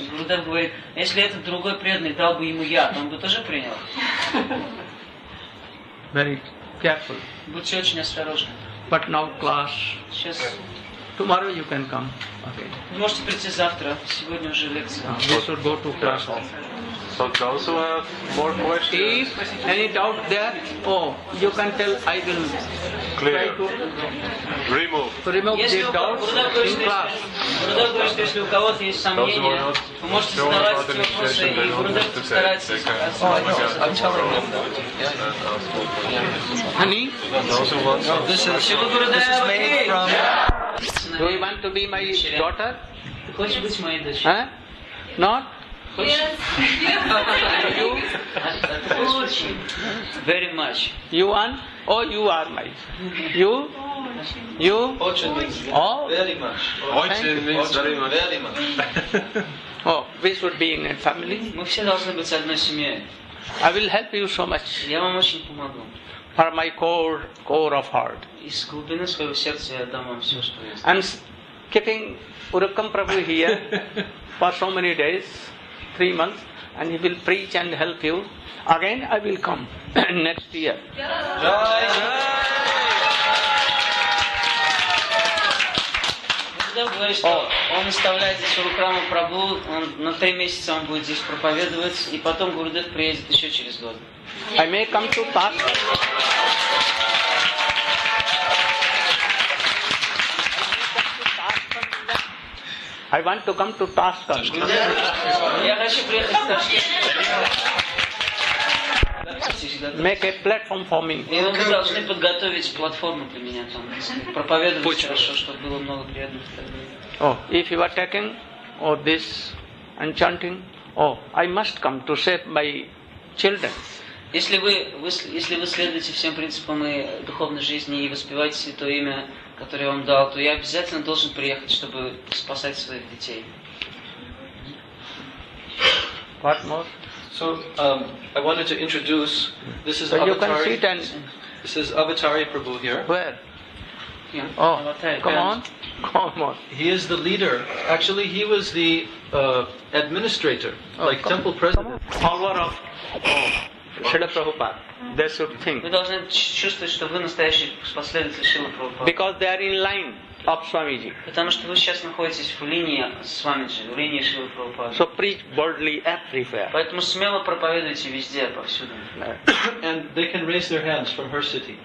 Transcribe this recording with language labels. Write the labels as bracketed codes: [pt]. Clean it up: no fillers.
[ru] Гуру Дев говорит, если этот другой преданный дал бы ему яд, он бы тоже принял. [en] Very careful. [ru] Будьте очень осторожны. [en] But now class. [ru] Сейчас. [en] Tomorrow you can come. Okay. [ru] Вы можете прийти завтра, сегодня уже лекция. [en] We should go to class also. So those who have more questions. If any doubt there, you can tell I will clear. Try to remove these doubts in class. [ru] Гурудев говорит, что если у кого-то есть сомнения, вы можете задавать эти вопросы, и Гурудев постарается сказать. Шива Гурудев, okay. [en] Do you want to be my daughter? [ru] Хочешь быть моей дочерью? [en] Not? Yes. [ru] Очень. [en] Very much. You want? Oh, you are my. You? [ru] Очень. [en] You? [ru] Очень. [en] Oh? Very much. Очень means very much. Very much. Oh, we should be in a family. [ru] Мы все должны быть одной семьей. [en] I will help you so much. [ru] Я вам очень помогу. [en] For my core of heart. [ru] Из глубины своего сердца я дам вам все, что есть. [en] I'm keeping Urukkam Prabhu here for so many days. 3 months, and he will preach and help you. Again, I will come next year. Jai! [ru] Гурудев говорит, что он оставляет здесь Урукраму Прабу, на 3 месяца он будет здесь проповедовать, и потом Гурудев приедет еще через год. [en] I may come to Pat. I want to come to Tashkent. Make a platform for me. [ru] И вы должны подготовить платформу для меня там. Проповедовать хорошо, чтобы было много приятных. [en] Oh, if you are taking this and chanting, I must come to save my children. [ru] Если вы следуете всем принципам и духовной жизни и воспеваете святое имя, которое я вам дал, то я обязательно должен приехать, чтобы спасать своих детей. [en] What more? So I wanted to introduce this is Avatari. This is Avatari Prabhu here. Where? Yeah. Oh, Avatari. Come on. He is the leader. Actually, he was the administrator, temple president. Power of. Шрила Прабхупада. They should think. [ru] Вы должны чувствовать, что вы настоящий последователь Шрилы Прабхупады. [en] Because they are in line of Swamiji. [ru] Потому что вы сейчас находитесь в линии Свамиджи, в линии Шрилы Прабхупады. [en] So preach boldly everywhere. [ru] Поэтому смело проповедуйте везде, повсюду. [en] And they can raise their hands from her city.